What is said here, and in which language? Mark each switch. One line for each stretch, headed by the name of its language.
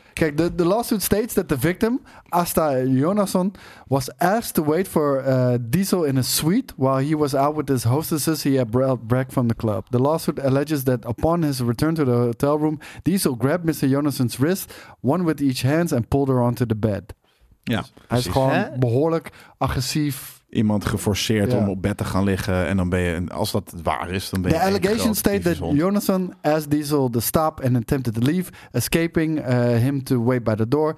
English: Kijk, the lawsuit states that the victim, Asta Jonasson, was asked to wait for Diesel in a suite while he was out with his hostesses he had brought back from the club. The lawsuit alleges that upon his return to the hotel room, Diesel grabbed Mr. Jonasson's wrist, one with each hand, and pulled her onto the bed.
Dutch: Ja, hij is gewoon behoorlijk agressief. Iemand geforceerd om op bed te gaan liggen. En dan ben je, als dat waar is, dan ben je...
English: The allegation state that Jonasson asked Diesel to stop and attempted to leave, escaping him to wait by the door.